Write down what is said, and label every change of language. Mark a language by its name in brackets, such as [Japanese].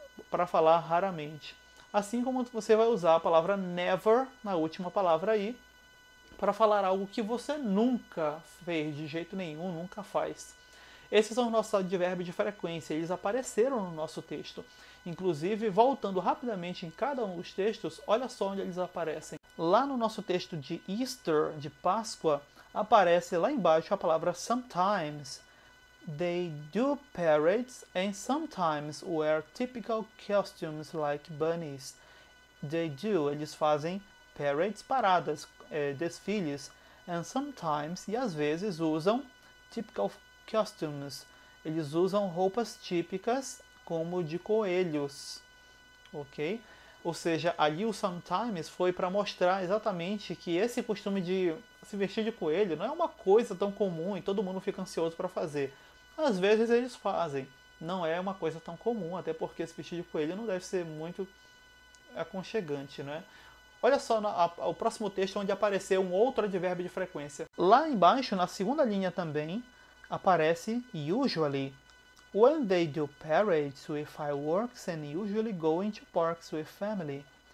[Portuguese] Para falar raramente. Assim como você vai usar a palavra never, na última palavra aí, para falar algo que você nunca fez, de jeito nenhum, nunca faz. Esses são os nossos advérbios de frequência. Eles apareceram no nosso texto. Inclusive, voltando rapidamente em cada um dos textos, olha só onde eles aparecem. Lá no nosso texto de Easter, de Páscoa, aparece lá embaixo a palavra sometimes. [English] They do parades and sometimes wear typical costumes like bunnies. They do, [Portuguese] eles fazem parades, paradas, desfiles. [English] And sometimes, [Portuguese] e às vezes, usam [English] typical costumes. [Portuguese] Eles usam roupas típicas como de coelhos, ok? Ou seja, ali o Sometimes foi para mostrar exatamente que esse costume de se vestir de coelho não é uma coisa tão comum e todo mundo fica ansioso para fazer. Às vezes eles fazem, não é uma coisa tão comum, até porque se vestir de coelho não deve ser muito aconchegante, né? Olha só o próximo texto onde apareceu um outro advérbio de frequência. Lá embaixo, na segunda linha também, aparece usually. [English] When they do parades with fireworks and usually go into parks with family.